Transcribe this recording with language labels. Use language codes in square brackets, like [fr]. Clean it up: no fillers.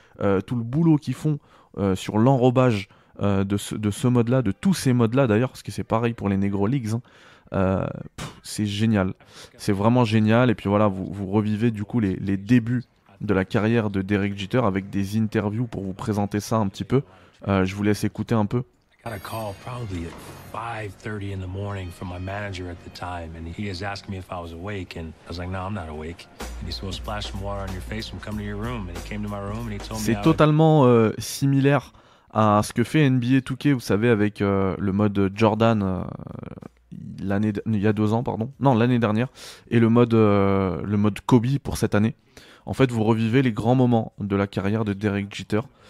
[fr] Tout le boulot qu'ils font sur l'enrobage... De ce mode-là, de tous ces modes-là d'ailleurs, parce que c'est pareil pour les Negro Leagues, hein. C'est génial. C'est vraiment génial, et puis voilà, vous revivez du coup les débuts de la carrière de Derek Jeter avec des interviews pour vous présenter ça un petit peu. Je vous laisse écouter un peu. J'ai eu un [en] call probably at 5:30 in the morning from my manager at the time, and he has asked me if I was awake, and I was like, no, I'm not awake. And he said, well, splash some water on your face and come to your room. And he came to my room and he told me. [fr] C'est totalement similaire à ce que fait NBA 2K, vous savez, avec le mode Jordan il y a 2 ans, pardon. Non, l'année dernière. Et le mode Kobe pour cette année. En fait, vous revivez les grands moments de la carrière de Derek Jeter.